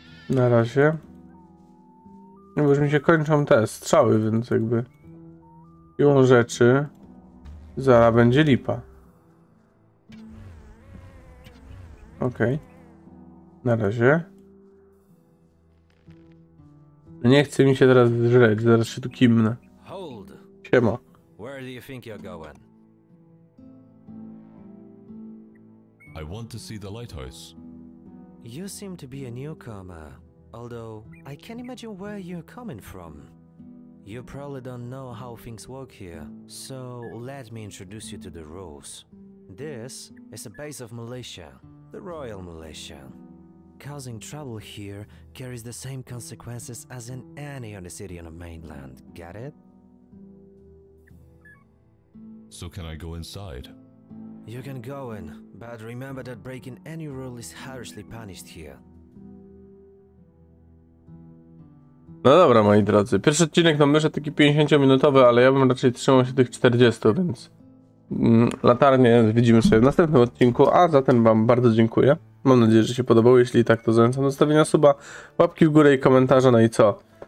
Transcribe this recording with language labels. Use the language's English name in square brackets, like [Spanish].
[Polish] Na razie. No bo już mi się kończą te strzały, więc jakby siłą rzeczy zara będzie lipa. Okej. Okay. Na razie. Nie chce mi się teraz żreć, zaraz się tu kimnę. Siema. [English] Where do you think you're going? I want to see the lighthouse. You seem to be a newcomer, although I can't imagine where you're coming from. You probably don't know how things work here, so let me introduce you to the rules. This is a base of militia, the Royal Militia. Causing trouble here carries the same consequences as in any other city on the mainland, get it? So can I go inside? You can go in, but remember that breaking any rule is harshly punished here. [Polish] No dobra, moi drodzy. Pierwszy odcinek to myślę taki 50-minutowy, ale ja bym raczej trzymał się tych 40, więc... latarnie widzimy sobie w następnym odcinku, a za ten wam bardzo dziękuję. Mam nadzieję, że się podobało. Jeśli tak, to zachęcam do zostawienia suba, łapki w górę i komentarza, no i co?